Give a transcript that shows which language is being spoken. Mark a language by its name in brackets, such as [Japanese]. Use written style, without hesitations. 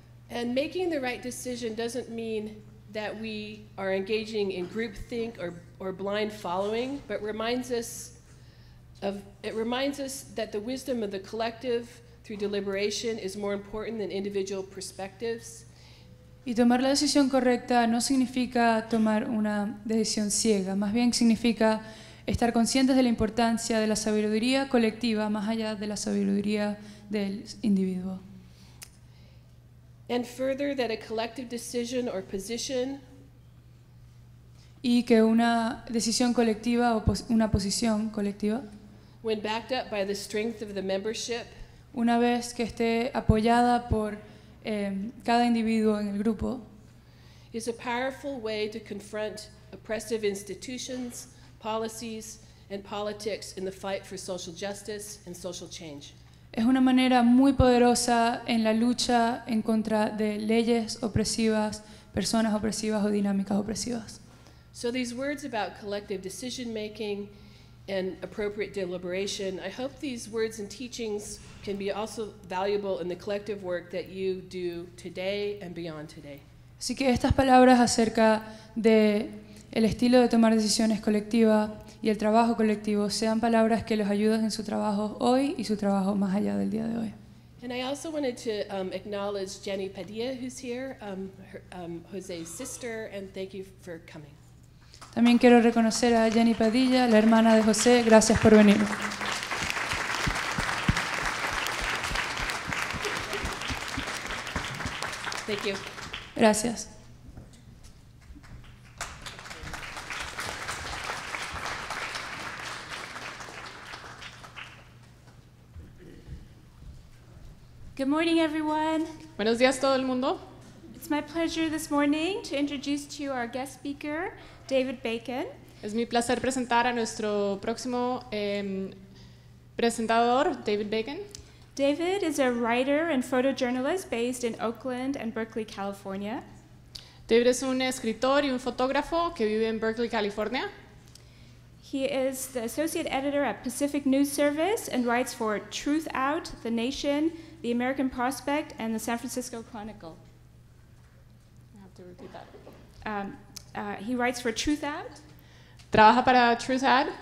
[English] And making the right decision doesn't mean that we are engaging in groupthink or blind following, but it reminds us that the wisdom of the collective through deliberation is more important than individual perspectives. [Spanish] Y tomar la decisión correcta no significa tomar una decisión ciega, más bien significa estar conscientes de la importancia de la sabiduría colectiva más allá de la sabiduría del individuo. [English] And further, that a collective decision or position, [Spanish] y que una decisión colectiva o una posición colectiva, [English] when backed up by the strength of the membership, [Spanish] una vez que esté apoyada por cada individuo en el grupo, [English] is a powerful way to confront oppressive institutions, policies, and politics in the fight for social justice and social change. [Spanish] Es una manera muy poderosa en la lucha en contra de leyes opresivas, personas opresivas o dinámicas opresivas. [English] So these words about collective decision making and appropriate deliberation, I hope these words and teachings can be also valuable in the collective work that you do today and beyond today. [Spanish] Así que estas palabras acerca de el estilo de tomar decisiones colectiva y el trabajo colectivo sean palabras que los ayuden en su trabajo hoy y su trabajo más allá del día de hoy. [English] And I also wanted to acknowledge Jenny Padilla, who's here, José's sister, and thank you for coming. [Spanish] También quiero reconocer a Jenny Padilla, la hermana de José. Gracias por venir. [English] Thank you. [Spanish] Gracias. [English] Good morning, everyone. [Spanish] Buenos días, todo el mundo. [English] It's my pleasure this morning to introduce to you our guest speaker, David Bacon. [Spanish] Es mi placer presentar a nuestro próximo presentador, David Bacon. [English] David is a writer and photojournalist based in Oakland and Berkeley, California. [Spanish] David es un escritor y un fotógrafo que vive en Berkeley, California. [English] He is the associate editor at Pacific News Service and writes for Truth Out, The Nation, The American Prospect, and the San Francisco Chronicle. I have to repeat that. He writes for Truth Out. [Spanish] Trabaja para Truth Out.